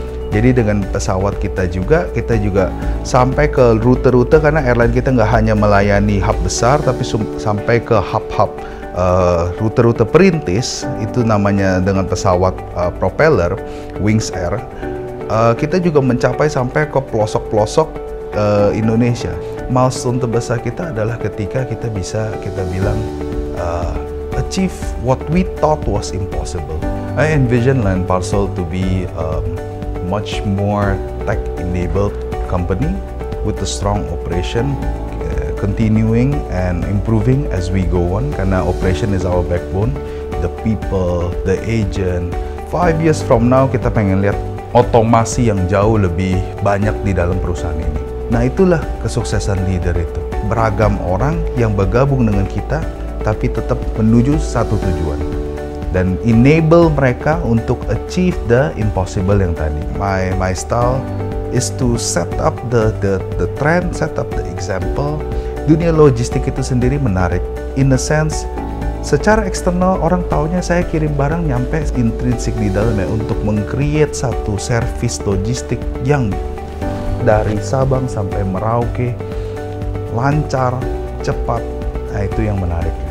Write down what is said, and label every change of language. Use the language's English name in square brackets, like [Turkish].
[Indonesian] Jadi dengan pesawat kita juga sampai ke rute-rute karena airline kita nggak hanya melayani hub besar tapi sampai ke hub-hub rute-rute perintis, itu namanya dengan pesawat propeller, Wings Air, kita juga mencapai sampai ke pelosok-pelosok Indonesia. Milestone terbesar kita adalah ketika kita bisa, kita bilang, [English] achieve what we thought was impossible. I envision Line Parcel to be much more tech-enabled company with a strong operation, continuing and improving as we go on, karena operation is our backbone, the people, the agent. 5 years from now, [Indonesian] kita pengen lihat otomasi yang jauh lebih banyak di dalam perusahaan ini. Nah, itulah kesuksesan leader itu. Beragam orang yang bergabung dengan kita, tapi tetap menuju satu tujuan. Dan enable mereka untuk [English] achieve the impossible [Indonesian] yang tadi. [English] My style is to set up the trend, set up the example. [Indonesian] Dunia logistik itu sendiri menarik. [English] In a sense, [Indonesian] secara eksternal orang taunya saya kirim barang nyampe, intrinsik di dalamnya untuk meng-create satu service logistik yang dari Sabang sampai Merauke lancar, cepat. Nah, itu yang menarik.